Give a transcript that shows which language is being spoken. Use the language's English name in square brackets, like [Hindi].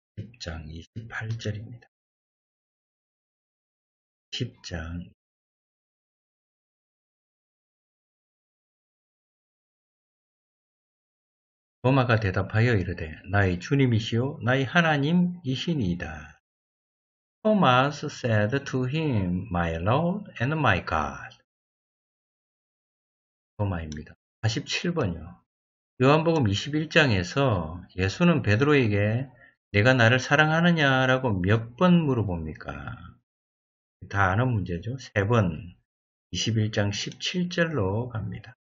[Korean] 10장 28절입니다. 10장 로마가 대답하여 이르되 나의 주님이시오 나의 하나님이시니이다. [English] Thomas said to him, My Lord and my God. [Korean] 로마입니다. 47번요. 요한복음 21장에서 예수는 베드로에게 내가 나를 사랑하느냐라고 몇 번 물어봅니까? 다 아는 문제죠. 세 번. 21장 17절로 갑니다.